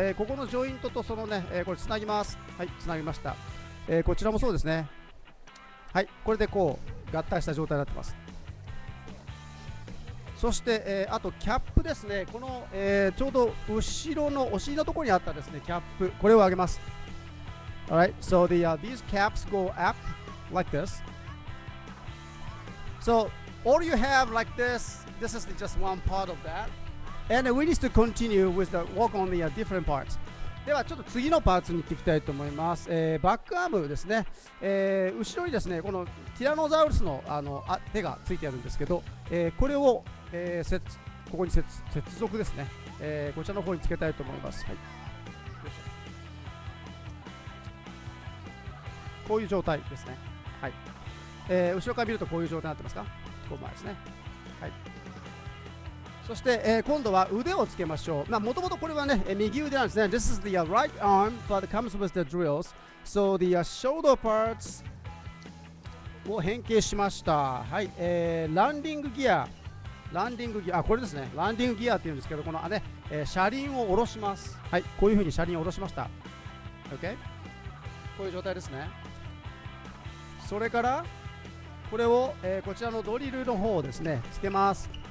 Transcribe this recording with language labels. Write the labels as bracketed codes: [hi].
[ja] ここのジョイントとそのね、これつなぎます。はい、つなぎました。こちらもそうですね。はい、これでこう合体した状態になってます。そして、あとキャップですね。この、ちょうど後ろのお尻のところにあったですねキャップ、これを上げます。 [en] Alright, so the, these caps go up like this. So all you have like this, this is just one part of that. And we need to continue with the work on the different parts. [ja] ではちょっと次のパーツに行っていきたいと思います。バックアームですね。後ろにですねこのティラノザウルス の, あのあ手がついてあるんですけど、これをここに 接続ですね。こちらの方につけたいと思います。はい、こういう状態ですね。はい、後ろから見るとこういう状態になってますか。こう前ですね。はい、そして、今度は腕をつけましょう。まあ、元々これはね右腕なんですね。 [en] This is the right arm but comes with the drills. So the shoulder parts [ja] を変形しました。はい、ランディングギア、ランディングギア、これですね、ランディングギアって言うんですけど、このね、車輪を下ろします。はい、こういう風に車輪を下ろしました。OK、 こういう状態ですね。それからこれを、こちらのドリルの方をですねつけます。